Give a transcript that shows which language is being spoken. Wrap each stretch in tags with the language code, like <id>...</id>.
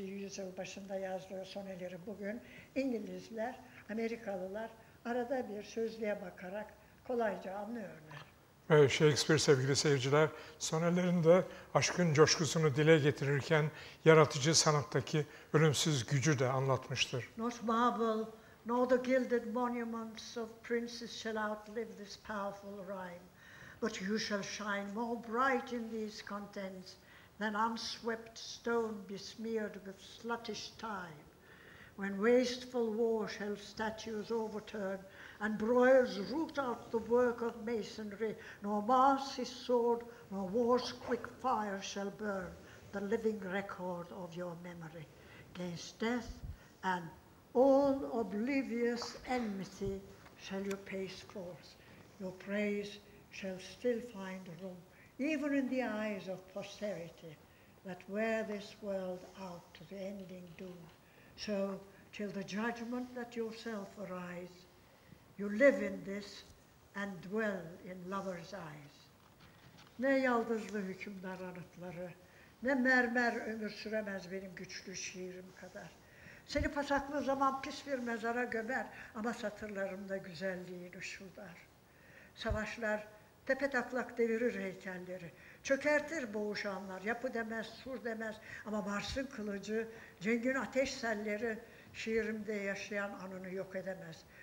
<tr>yüzyıl başında yazdığı soneleri bugün İngilizler, Amerikalılar arada bir sözlüğe bakarak kolayca anlıyorlar. Evet, Shakespeare sevgili seyirciler, sonelerinde aşkın coşkusunu dile getirirken yaratıcı sanattaki ölümsüz gücü de anlatmıştır.</tr> <en>Not marble, nor the gilded monuments of princes shall outlive this powerful rhyme, but you shall shine more bright in these contents than unswept stone besmeared with sluttish time. When wasteful war shall statues overturn and broils root out the work of masonry, nor mars his sword nor war's quick fire shall burn the living record of your memory. Against death and all oblivious enmity shall you pace forth. Your praise shall still find room, even in the eyes of posterity, that wear this world out to the ending doom. So, till the judgment that yourself arise, you live in this and dwell in lover's eyes.</en> <tr>Ne yaldızlı hükümdar anıtları, ne mermer ömür süremez benim güçlü şiirim kadar. Seni pasaklı zaman pis bir mezara gömer, ama satırlarımda güzelliğin ışıldar. Savaşlar tepe taklak devirir heykelleri, çökertir boğuşanlar, yapı demez, sur demez, ama Mars'ın kılıcı, cengin ateş selleri şiirimde yaşayan anını yok edemez.</tr>